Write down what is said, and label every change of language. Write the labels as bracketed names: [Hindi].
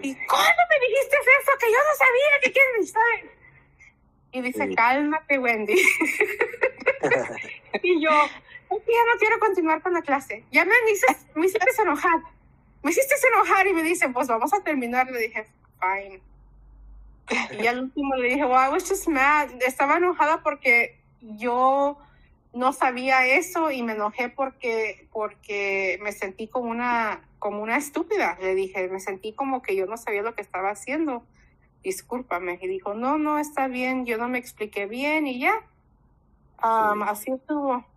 [Spanish] ¿Y cuándo me dijiste eso? Que yo no sabía que quieres estar. Y dice, sí. Cálmate, Wendy. Y yo, ya no quiero continuar con la clase. Ya me hiciste enojar. Me hiciste enojar y me dice, pues vamos a terminar. Le dije, fine. Y al último le dije, [English] well, I was just mad. [Spanish] Estaba enojada porque yo no sabía eso y me enojé porque me sentí como una estúpida. Le dije, me sentí como que yo no sabía lo que estaba haciendo. Discúlpame. Y dijo, no, está bien. Yo no me expliqué bien y ya. Sí. Así estuvo.